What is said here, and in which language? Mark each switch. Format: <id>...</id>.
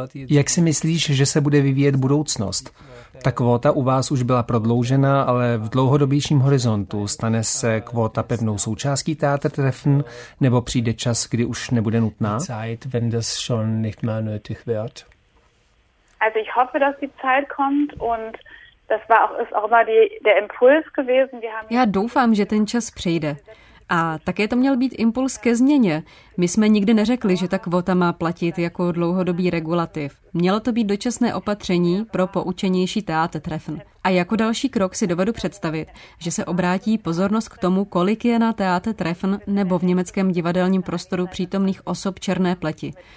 <cs>Jak si myslíš, že se bude vyvíjet budoucnost? Ta kvóta u vás už byla prodloužena, ale v dlouhodobějším horizontu stane se kvóta pevnou součástí Theatertreffen nebo přijde čas, kdy už nebude nutná?</cs> <de>Also ich hoffe, dass die Zeit kommt und das war auch ist auch mal die der Impuls gewesen.</de> <cs>Já doufám, že ten čas přijde. A také to měl být impuls ke změně. My jsme nikdy neřekli, že ta kvota má platit jako dlouhodobý regulativ. Mělo to být dočasné opatření pro poučenější Theatertreffen. A jako další krok si dovedu představit, že se obrátí pozornost k tomu, kolik je na Theatertreffen nebo v německém divadelním prostoru přítomných osob černé pleti.</cs>